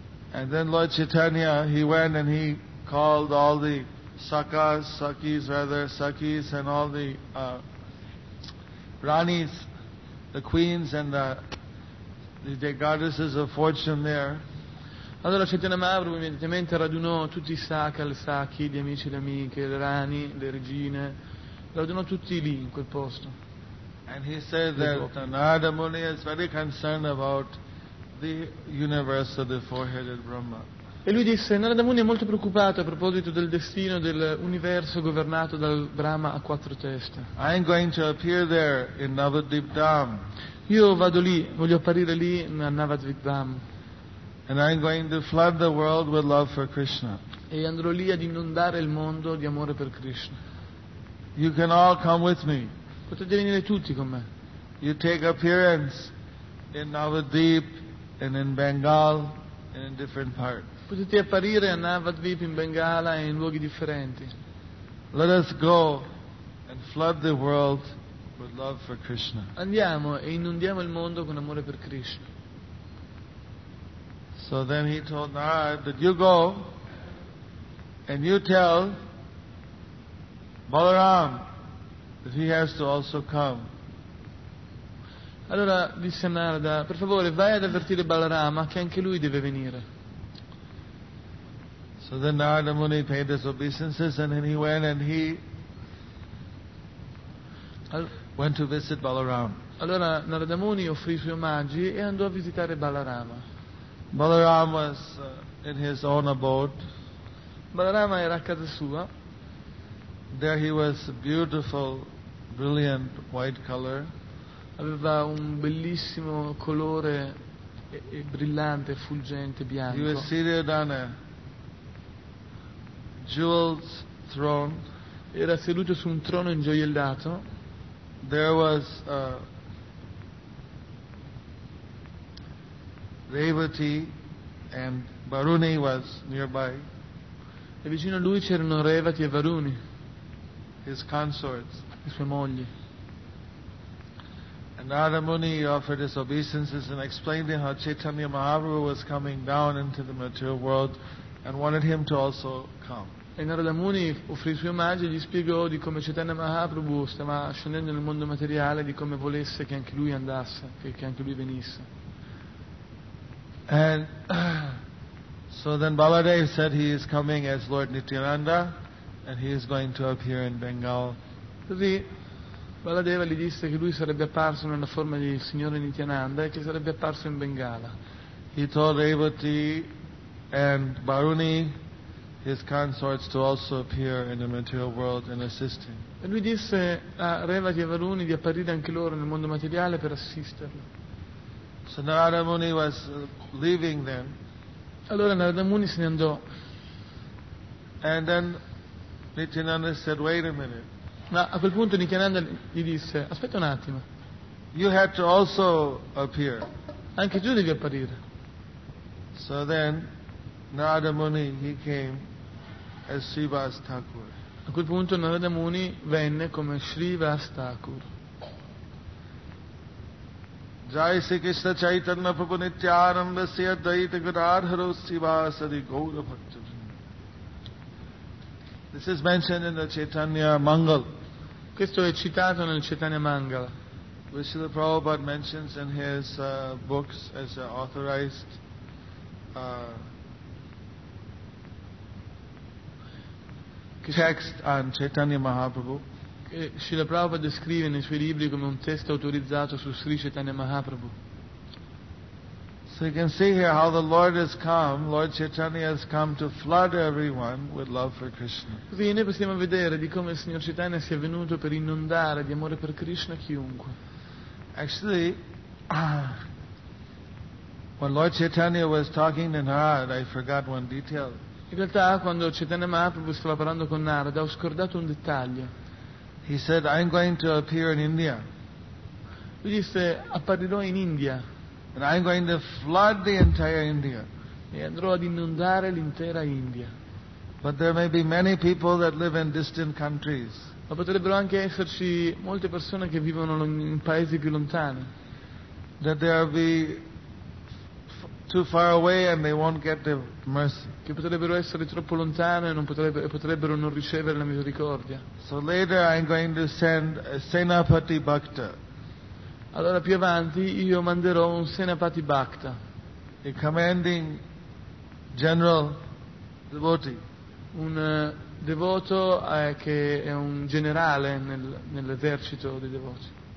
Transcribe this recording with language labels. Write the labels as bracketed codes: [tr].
[en] And then Lord Chaitanya, he went and he called all the sakis and all the ranis, the queens and the goddesses of fortune there. [it] Allora Chaitanya Mahaprabhu immediatamente radunò tutti i Sakha, le Sakhi, gli amici, le amiche, le Rani, le regine, radunò tutti lì in quel posto. [en] And he said that Narada Muni is very concerned about the universe of the four-headed Brahma. [it] E lui disse, Narada Muni è molto preoccupato a proposito del destino dell'universo governato dal Brahma a quattro teste. [en] I am going to appear there in Navadvip Dham. [it] Io vado lì, voglio apparire lì a Navadvip Dham. [en] And I am going to flood the world with love for Krishna. [it] E andrò lì ad inondare il mondo di amore per Krishna. [en] You can all come with me. [it] Potete venire tutti con me. [en] You take appearance in Navadvip and in Bengal and in different parts. [it] Potete apparire a Navadvip, in Bengala e in luoghi differenti. [en] Let us go and flood the world with love for Krishna. [it] Andiamo e inondiamo il mondo con amore per Krishna. [en] So then he told Narada that you go and you tell Balaram that he has to also come. [it] Allora disse Narada, per favore vai ad avvertire Balarama che anche lui deve venire. [en] So then Narada Muni paid his obeisances and then he went and he went to visit Balarama. [it] Allora Narada Muni offrì i suoi omaggi e andò a visitare Balarama. [en] Balaram was in his own abode. [it] Balarama era a casa sua. [en] There he was beautiful, brilliant white color. [it] Aveva un bellissimo colore e brillante, fulgente, bianco. [en] He was seated on a jeweled throne. [it] Era seduto su un trono ingioiellato. [en] There was a Revati and Varuni was nearby. [it] E vicino a lui c'erano Revati e Varuni. [en] His consorts. [it] Le sue mogli. [en] And Narada Muni offered his obeisances and explained to him how Chaitanya Mahaprabhu was coming down into the material world and wanted him to also come. [it] E Narada Muni offrì i suoi omaggi e gli spiegò di come Chaitanya Mahaprabhu stava scendendo nel mondo materiale, di come volesse che anche lui andasse, che anche lui venisse. [en] And so then Baladev said he is coming as Lord Nityananda and he is going to appear in Bengal. [it] Così Baladeva gli disse che lui sarebbe apparso nella forma di Signore Nityananda e che sarebbe apparso in Bengala. [en] He told Revati and Baruni, his consorts, to also appear in the material world and assist him. [it] E lui disse a Revati e Baruni di apparire anche loro nel mondo materiale per assisterlo. [en] So Narada Muni was leaving then. [it] Allora Narada Muni se ne andò. [en] And then Nityananda said, "Wait a minute." [it] Ma a quel punto Nityananda gli disse, "Aspetta un attimo." [en] You have to also appear. [it] Anche tu devi apparire. [en] So then Narada Muni, he came as Srivas Thakur. [it] A quel punto Narada Muni venne come Srivas Thakur. [sa] Jai Sri Krishna Chaitanya Prabhu Nityananda Sri Advaita Gadadharo Srivasadi Gaura Bhaktavrinda. [en] This is mentioned in the Chaitanya Mangal. [it] Questo è citato nel Chaitanya Mangala. [en] Which Srila Prabhupada mentions in his books as an authorized text on Chaitanya Mahaprabhu. [it] E Srila Prabhupada descrive nei suoi libri come un testo autorizzato su Sri Chaitanya Mahaprabhu. [en] So you can see here how the Lord has come, Lord Chaitanya has come to flood everyone with love for Krishna. [it] Così noi possiamo vedere di come il Signor Chaitanya sia venuto per inondare di amore per Krishna chiunque. [en] Actually, when Lord Chaitanya was talking to Narada, I forgot one detail. [it] In realtà, quando Chaitanya Mahaprabhu stava parlando con Narada, ho scordato un dettaglio. [en] He said, "I'm going to appear in India." [it] Lui disse, apparirò in India. [en] "And I'm going to flood the entire India." [it] E andrò ad inondare l'intera India. [en] "But there may be many people that live in distant countries." [it] Ma potrebbero anche esserci molte persone che vivono in paesi più lontani. [en] "That they will be too far away and they won't get the mercy." [it] Che potrebbero essere troppo lontane e potrebbero non ricevere la misericordia. [en] "So later I'm going to send a Senapati Bhakta." [it] Allora più avanti io manderò un Senapati Bhakta. [en] "A commanding general devotee. [it] Un devoto che è un generale nell'esercito dei devoti.